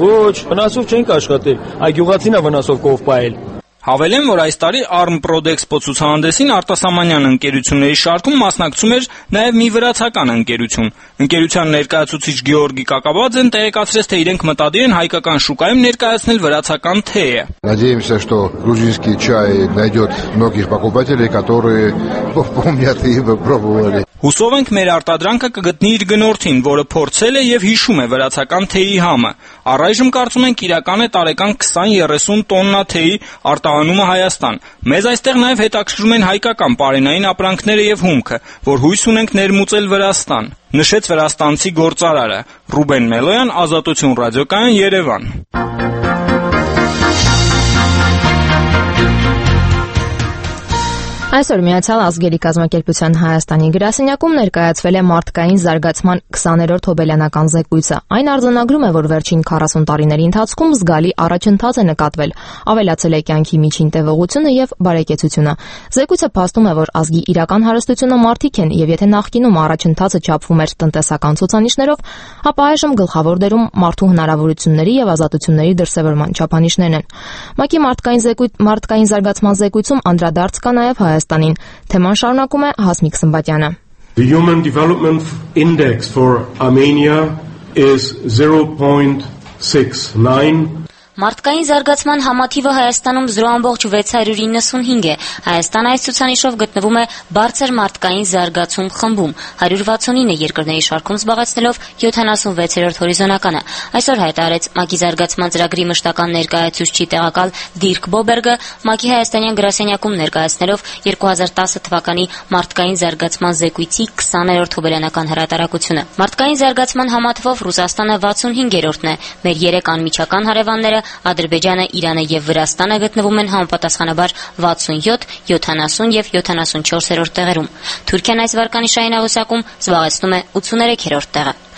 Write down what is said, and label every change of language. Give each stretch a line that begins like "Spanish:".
Armenian: Ոչ, վնասով չենք աշխատել, այ գյուղացինը վնասով կով պահել։ Հավելեմ, որ այս տարի Armprod Expo ցուցահանդեսին արտասահմանյան ընկերությունների շարքում մասնակցում էր նաև մի վրացական ընկերություն։ Ընկերության ներկայացուցիչ Գեորգի Կակաբաձեն տեղեկացրեց, թե իրենք մտադիր են հայկական շուկայում ներկայացնել վրացական թեյը։
Russian: Надеемся, что грузинский чай найдёт многих покупателей, которые помнят и пробовали։
Armenian: Հուսով ենք, մեր արտադրանքը կգտնի իր գնորդին, որը փորձել է եւ հիշում է վրացական թեյի համը։ Առայժմ կարծում ենք իրական է տարեկան 20-30 տոննա թեյի արտահանումը Հայաստան։ Մեզ այստեղ նաև հետաքրքրում են հայկական պարենային ապրանքները եւ հումքը, որ հույս ունենք ներմուծել Վրաստան, նշեց վրաստանցի գործարարը Ռուբեն Մելոյան, Ազատություն ռադիոկայան, Երևան։ Այսօր Միացյալ Ազգերի Կազմակերպության Հայաստանի գրասենյակում ներկայացվել է մարդկային զարգացման 20-րդ հոբելյանական զեկույցը։ Այն արձանագրում է, որ վերջին 40 տարիների ընթացքում զգալի առաջընթաց է նկատվել, ավելացել է կյանքի միջին տևողությունը և բարեկեցությունը։ Զեկույցը փաստում է, որ ազգի իրական հարստությունը մարդիկ են, և եթե նախկինում առաջընթացը չափվում էր տնտեսական ցուցանիշներով, ապա այժմ գլխավոր դերում մարդու հնարավորությունների և ազատությունների դրսևորման չափանիշներն են։ ՄԱԿ-ի մարդկային զարգացման զեկույցում անդրադարձ կա նաև Հայաստանին, թեման շարունակում է Հասմիկ Սմբատյանը։
English: The Human Development Index for Armenia is 0.69.
Armenian: Մարդկային զարգացման համաթիվը Հայաստանում 0.695 է։ Հայաստան այս ցուցանիշով գտնվում է բարձր մարդկային զարգացում խմբում, 169 երկրների շարքում զբաղեցնելով 76-րդ հորիզոնականը։ Այսօր հայտարարեց ՄԱԿ-ի զարգացման ծրագրի մշտական ներկայացուցիչ տեղակալ Դիրկ Բոբերգը, ՄԱԿ-ի հայաստանյան գրասենյակում ներկայացնելով 2010 թվականի մարդկային զարգացման զեկույցի 20-րդ հոբելյանական հրատարակությունը։ Մարդկային զարգացման համաթիվով Ռուսաստանը 65-րդն է, մեր 3 անմիջական հարևանները Ադրբեջանը, Իրանը և Վրաստանը գտնվում են համապատասխանաբար 67, 70 և 74-րդ տեղերում։ Թուրքիան այս վարկանիշային աղյուսակում զբաղեցնում է 83-րդ տեղը։